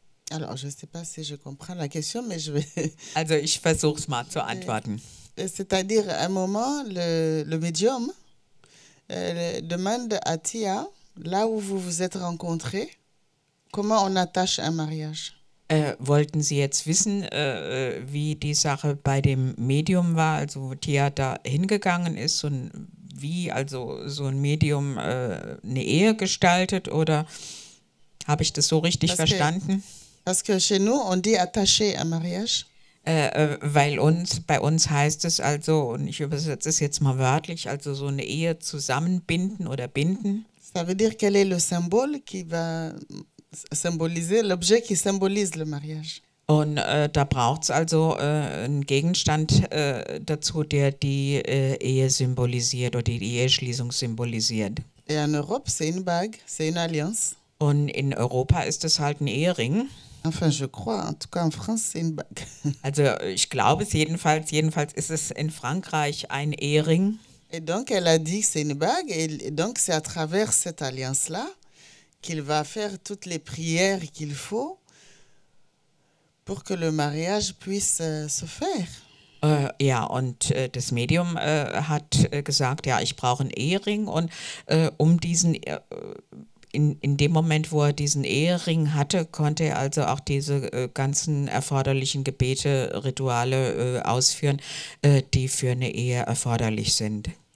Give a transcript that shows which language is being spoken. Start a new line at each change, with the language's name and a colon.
French: Alors, je sais pas si je comprends la question, mais je vais.
German: Also, ich versuche es mal zu antworten.
French: C'est-à-dire, à un moment, le médium demande à Tia, là où vous vous êtes rencontrés, comment on attache un mariage.
German: Wollten Sie jetzt wissen, wie die Sache bei dem Medium war, also wo Tia da hingegangen ist und wie also so ein Medium eine Ehe gestaltet, oder habe ich das so richtig verstanden?
French: Parce que chez nous, on dit attaché à mariage.
German: Bei uns heißt es also, und ich übersetze es jetzt mal wörtlich, also so eine Ehe zusammenbinden oder binden.
French: Ça veut dire quel est le symbole qui va symboliser, l'objet qui symbolise le mariage.
German: Und da braucht es also einen Gegenstand dazu, der die Ehe symbolisiert oder die Eheschließung symbolisiert.
French: Et en Europe, c'est une bague, c'est une alliance.
German: Und in Europa ist es halt ein Ehering.
French: Enfin, je crois, en tout cas en France, c'est une bague.
German: Also, ich glaube es jedenfalls. Jedenfalls ist es in Frankreich ein Ehering.
French: Et donc, elle a dit que c'est une bague. Et donc, c'est à travers cette alliance-là qu'il va faire toutes les prières qu'il faut pour que le mariage puisse se faire.
German: Ja, und das Medium hat gesagt, ja, ich brauche einen Ehering. Und um diesen In dem Moment, wo er diesen Ehering hatte, konnte er also auch diese ganzen erforderlichen Gebete, Rituale ausführen, die für eine Ehe erforderlich sind.